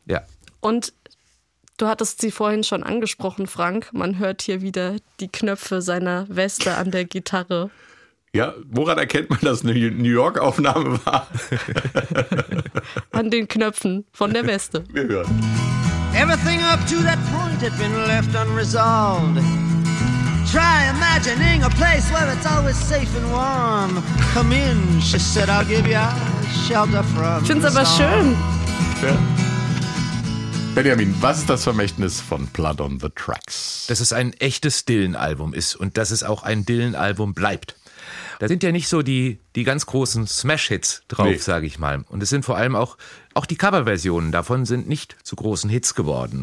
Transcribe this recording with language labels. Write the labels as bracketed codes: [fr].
[de] Ja. Und du hattest sie vorhin schon angesprochen, Frank. Man hört hier wieder die Knöpfe seiner Weste an der Gitarre. Ja, woran erkennt man, dass eine New York-Aufnahme war? An den Knöpfen von der Weste. Wir hören. [en] Everything up to that point had been left unresolved. Try imagining a place where it's always safe and warm. Come in, she said, I'll give you a shelter from the storm. [de] Find's aber schön. Ja. Benjamin, was ist das Vermächtnis von Blood on the Tracks? Dass es ein echtes Dylan-Album ist und dass es auch ein Dylan-Album bleibt. Da sind ja nicht so die ganz großen Smash-Hits drauf, nee, sage ich mal. Und es sind vor allem auch die Coverversionen davon sind nicht zu großen Hits geworden.